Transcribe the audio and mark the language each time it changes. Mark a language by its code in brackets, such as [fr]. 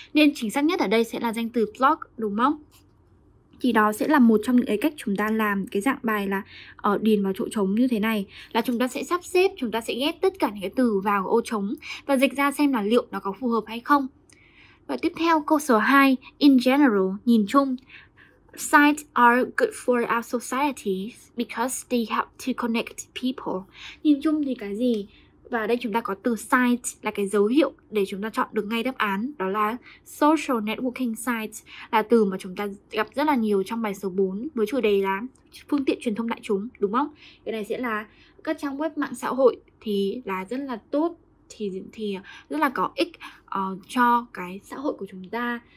[vi] Nên chính xác nhất ở đây sẽ là danh từ blog, đúng không? Thì đó sẽ là một trong những cái cách chúng ta làm cái dạng bài là điền vào chỗ trống như thế này. Là chúng ta sẽ sắp xếp, chúng ta sẽ ghép tất cả những cái từ vào ô trống và dịch ra xem là liệu nó có phù hợp hay không. Và tiếp theo câu số 2, [en] in general, [vi] nhìn chung. [en] Sites are good for our society because they help to connect people. [vi] Nhìn chung thì cái gì? Và ở đây chúng ta có từ site là cái dấu hiệu để chúng ta chọn được ngay đáp án. Đó là social networking site, là từ mà chúng ta gặp rất là nhiều trong bài số 4 với chủ đề là phương tiện truyền thông đại chúng, đúng không? Cái này sẽ là các trang web mạng xã hội thì là rất là tốt, thì rất là có ích cho cái xã hội của chúng ta.